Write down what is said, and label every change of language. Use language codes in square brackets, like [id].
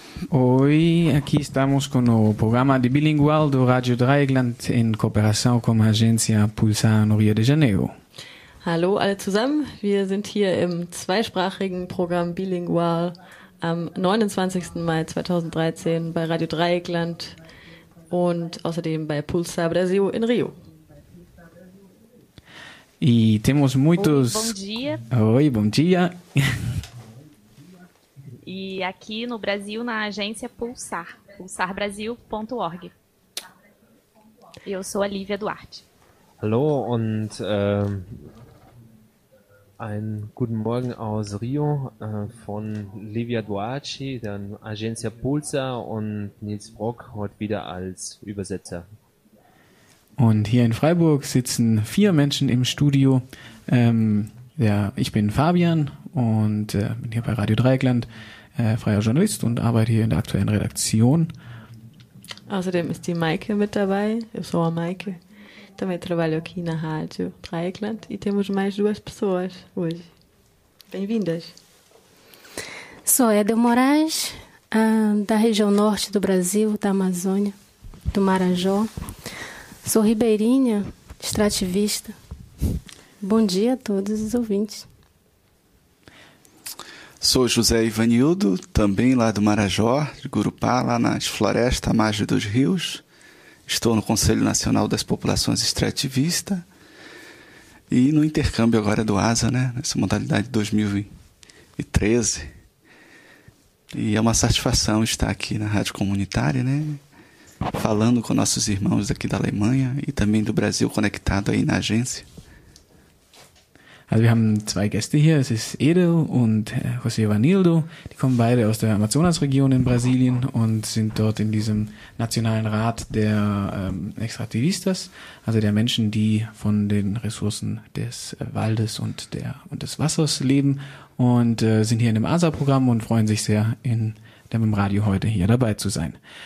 [es] Hoy aquí estamos con el programa de Bilingual de Radio Dreieckland en cooperación con la agencia Pulsar en Rio de Janeiro. [de] Hallo alle zusammen, wir sind hier im zweisprachigen Programm Bilingual am 29. Mai 2013 bei Radio Dreieckland und außerdem bei Pulsar Brasil in Rio. [es] Y tenemos muchos... [pt] Oi, bom dia! E aqui no Brasil, na agência Pulsar, pulsarbrasil.org. Eu sou a Lívia Duarte. [de] Hallo und einen guten Morgen aus Rio von Lívia Duarte, der agência Pulsar und Nils Brock, heute wieder als Übersetzer. Und hier in Freiburg sitzen vier Menschen im Studio. Ich bin Fabian und bin hier bei Radio Dreieckland. Freier Journalist und arbeite hier in der aktuellen Redaktion. Außerdem ist die Maike mit dabei. [pt] Eu sou a Maike. Também trabalho aqui na Rádio Dreieckland. E temos mais duas pessoas hoje. Bem-vindas. Sou Edel Moraes, da região norte do Brasil, da Amazônia, do Marajó. Sou ribeirinha, extrativista. Bom dia a todos os ouvintes. Sou José Ivanildo, também lá do Marajó, de Gurupá, lá nas florestas, à margem dos rios. Estou no Conselho Nacional das Populações Extrativistas e no intercâmbio agora do ASA, né? Nessa modalidade de 2013. E é uma satisfação estar aqui na Rádio Comunitária, né? Falando com nossos irmãos aqui da Alemanha e também do Brasil, conectado aí na agência. [de] Also wir haben zwei Gäste hier, es ist Edel und José Vanildo, die kommen beide aus der Amazonasregion in Brasilien und sind dort in diesem nationalen Rat der Extrativistas, also der Menschen, die von den Ressourcen des Waldes und des Wassers leben und sind hier in dem ASA-Programm und freuen sich sehr, im Radio heute hier dabei zu sein.